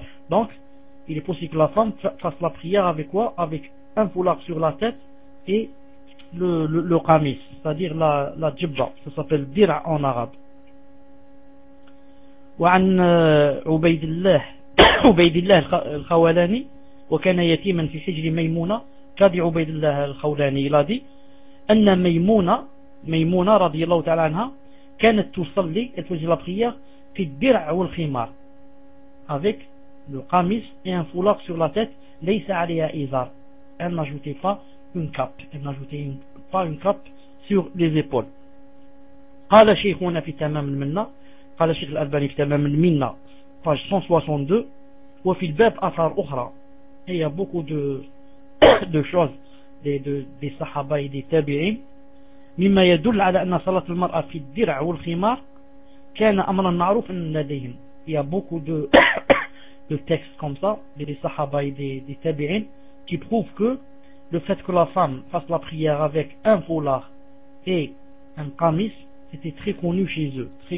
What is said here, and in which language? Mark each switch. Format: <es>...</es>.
<fr>Donc, il est possible que la femme fasse la prière avec quoi? Avec un foulard sur la tête et le kamis, c'est-à-dire la djibba. Ça s'appelle dira en arabe.</fr> <ar>وعن عبيد الله الخولاني وكان يتيما في حجر ميمونة كاد عبيد الله الخولاني إلى ذي أن ميمونة رضي الله تعالى عنها كانت تصلي توجه لبخيه في الدرع والخمار</ar> <fr>avec le</fr> <ar>قميص</ar> <fr>et un foulard sur la tête</fr> <ar>ليس عليها إزار. Elle n'ajoutait pas une cape, elle n'ajoutait pas une cape sur les épaules. قال شيخنا في تمام المنة قال الشيخ الألباني في تمام المنة page 162 وفي الباب أثار أخرى.</ar> <fr>Il y a beaucoup de choses des</fr> <ar>صحابة</ar> <fr>et des</fr> <ar>تابعين مما يدل على أن صلاة المرأة في الدرع والخمار كان أمرا معروفا لديهم.</ar> <fr>Il y a beaucoup de textes comme ça des صحابة et des تابعين qui prouvent que le fait que la femme fasse la prière avec un foulard et un kamis, c'était très connu chez eux.</fr>